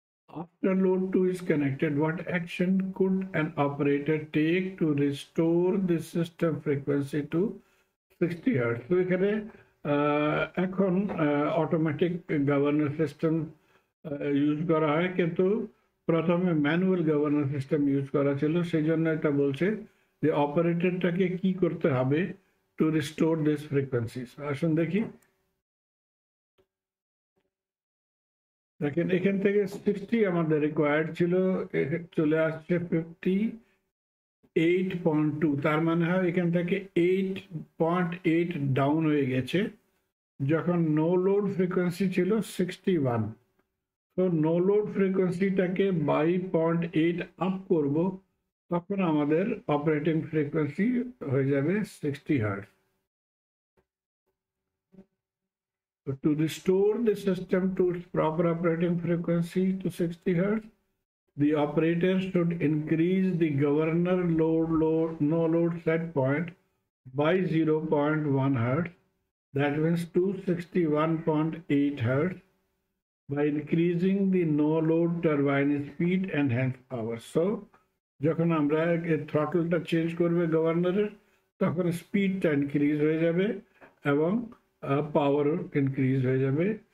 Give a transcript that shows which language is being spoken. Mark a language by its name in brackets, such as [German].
[English] After load 2 is connected, what action could an operator take to restore the system frequency to 60 Hz? [Bangla] So, here এখন automatic governor system use করা হয়, কিন্তু প্রথমে manual governor system use করা ছিল, সেই জন্য এটা বলছে যে অপারেটরটাকে কি করতে হবে [English] To restore this frequency. [Bangla] আসুন দেখি, দেখেন এখান থেকে 60 আমাদের রিকোয়ার্ড ছিল, চলে আসছে 58.2, তার মানে হয় এখান থেকে 8.8 ডাউন হয়ে গেছে, যখন নো লোড ফ্রিকোয়েন্সি ছিল 61। তো নো লোড ফ্রিকোয়েন্সিটাকে 2.8 আপ করব, তখন আমাদের অপারেটিং ফ্রিকোয়েন্সি হয়ে যাবে 60 Hz। [English] To restore the system to its proper operating frequency to 60 Hz, the operator should increase the governor no load set point by 0.1 Hz, that means to 61.8 Hz, by increasing the no load turbine speed and hence power. [Bangla] So, যখন আমরা থ্রটলটা change করবে গভর্নরের, তখন স্পিডটা increase হয়ে যাবে এবং পাওয়ার increase হয়ে যাবে।